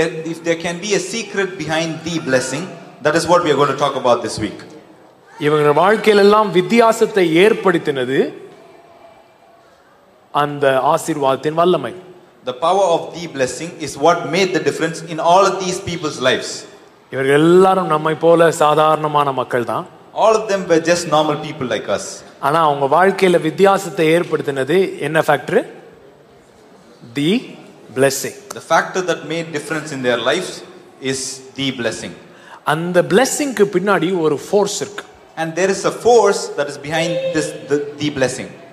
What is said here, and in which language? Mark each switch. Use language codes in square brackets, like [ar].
[en] If there can be a secret behind the blessing, that is what we are going to talk about this week. [ta] இவங்க வாழ்க்கையில எல்லாம் வித்தியாசத்தை ஏற்படுத்தினது அந்த ஆசீர்வாதத்தின் வல்லமை. [en] The power of the blessing is what made the difference in all of these people's lives. [ta] இவர்கள் எல்லாரும் நம்மை போல சாதாரணமான மக்கள் தான். [en] All of them were just normal people like us. [ta] ஆனா அவங்க வாழ்க்கையில வித்தியாசத்தை ஏற்படுத்தினது என்ன factor? [en] The blessing. The factor that made difference in their lives is the blessing. And the blessing [ta] ku pinnadi oru force irukku. [en] And there is a force that is behind this the blessing.